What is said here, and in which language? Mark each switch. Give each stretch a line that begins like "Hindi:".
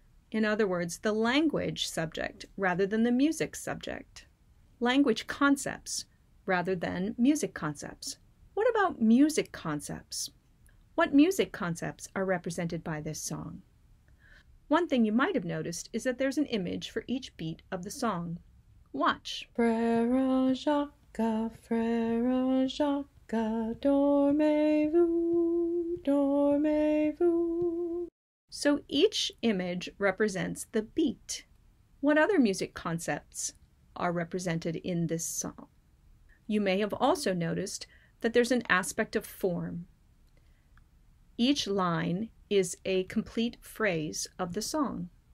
English: In other words, the language subject rather than the music subject. Language concepts rather than music concepts. What about music concepts? What music concepts are represented by this song? One thing you might have noticed is that there's an image for each beat of the song. Watch.
French: Frère Jacques, Frère Jacques, dormez-vous, dormez-vous.
English: So each image represents the beat. What other music concepts are represented in this song? You may have also noticed that there's an aspect of form. Each line is a complete phrase of the song.